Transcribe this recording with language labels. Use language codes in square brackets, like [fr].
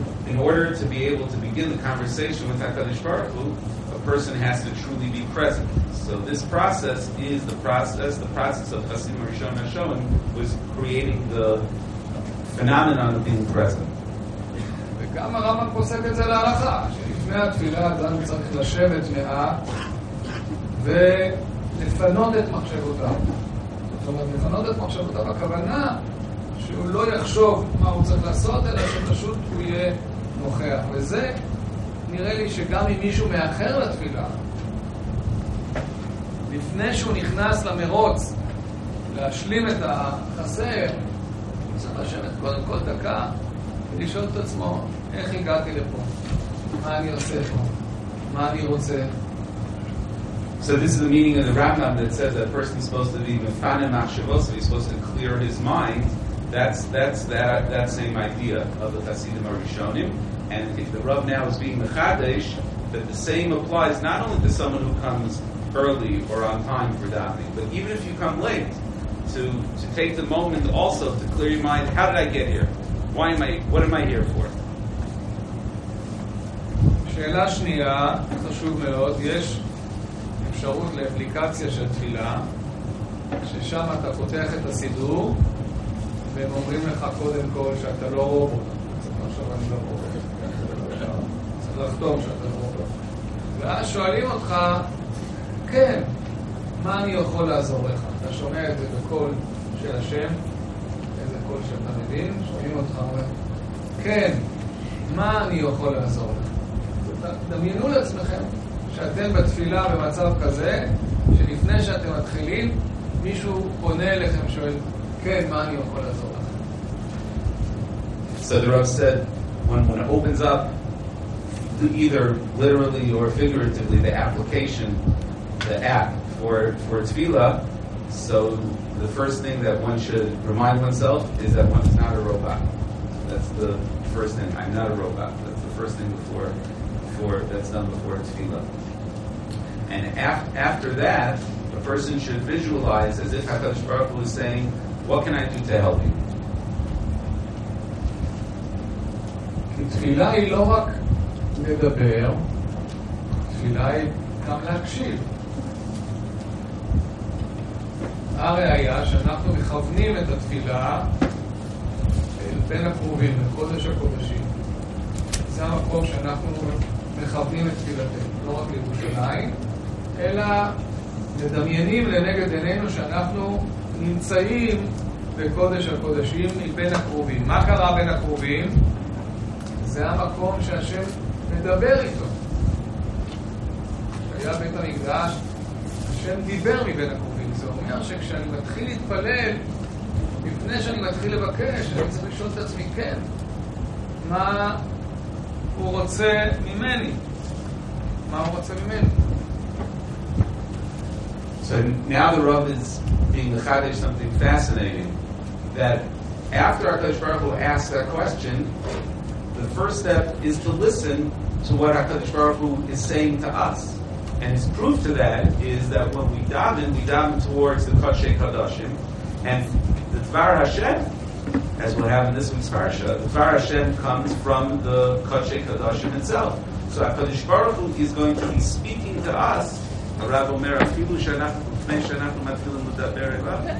[en] In order to be able to begin the conversation with HaKadosh Baruch Hu, a person has to truly be present. So this process is the process of Chassidim Rishon HaShoen, who is creating the phenomenon of being present. [he] וגם הרמב"ם פוסק את זה להלכה, שלפני התפילה אדם צריך לשבת מעט ולפנות את מחשבותיו. זאת אומרת, לפנות את מחשבותיו, הכוונה שהוא לא יחשוב מה הוא צריך לעשות, אלא שפשוט הוא יהיה נוכח. וזה נראה לי שגם אם מישהו מאחר לתפילה, לפני שהוא נכנס למרוץ להשלים את החסר, הוא צריך לשבת קודם כל דקה ולשאול את עצמו, איך הגעתי לפה? מה אני עושה פה? מה אני רוצה? [en] So this is the meaning of the Rambam that says that a person is supposed to be [he] mefaneh machshavos, [en] he's supposed to clear his mind. That's that same idea of the Chassidim HaRishonim, And if the Rav now is being mechadesh, that the same applies not only to someone who comes early or on time for davening, but even if you come late, to take the moment also to clear your mind, how did I get here? Why am I, what am I here for? [he] שאלה שנייה, חשוב מאוד, יש אפשרות לאפליקציה של תפילה, ששם אתה פותח את הסידור, והם אומרים לך קודם כל שאתה לא רובוט. עכשיו אני לא רובוט. צריך לחתום שאתה לא רובוט. ואז שואלים אותך, כן, מה אני יכול לעזור לך? אתה שומע את זה בקול של השם, איזה קול שאתה מבין, שואלים אותך, כן, מה אני יכול לעזור לך? דמיינו לעצמכם שאתם בתפילה במצב כזה, שלפני שאתם מתחילים, מישהו פונה אליכם שואל, כן, מה אני יכול לעזור לך? [en] So the Rav said, when it opens up, either literally or figuratively, the application, the app for tefillah, so the first thing that one should remind oneself is that one's not a robot. That's the first thing. I'm not a robot. That's the first thing before that's done before tefillah. And after that, a person should visualize as if HaKadosh Baruch Hu is saying, what can I do to help you? [he] תפילה היא לא רק לדבר, תפילה היא גם להקשיב. הראיה שאנחנו מכוונים את התפילה אל בין הקרובים, לקודש הקודשים. זה המקום שאנחנו מכוונים את תפילתנו, לא רק לירושלים, אלא לדמיינים לנגד עינינו שאנחנו נמצאים בקודש הקודשים עם בין הקרובים. מה קרה בין הקרובים? זה המקום שהשם מדבר איתו. כשהיה בית המקדש, השם דיבר מבין הקרובים. זה אומר שכשאני מתחיל להתפלל, לפני שאני מתחיל לבקש, אני צריך לשאול את עצמי, כן, מה הוא רוצה ממני? מה הוא רוצה ממני? [en] So now the Rav is being mechadesh something fascinating, that after HaKadosh Baruch Hu asks that question, the first step is to listen to what HaKadosh Baruch Hu is saying to us. And his proof to that is that when we daven towards the Kodesh HaKadoshim, and the Dvar Hashem, as we'll have in this week's parasha, the Dvar Hashem comes from the Kodesh HaKadoshim itself. So HaKadosh Baruch Hu is going to be speaking to us. [he] הרב אומר, אפילו לפני שאנחנו מתחילים לדבר אליו.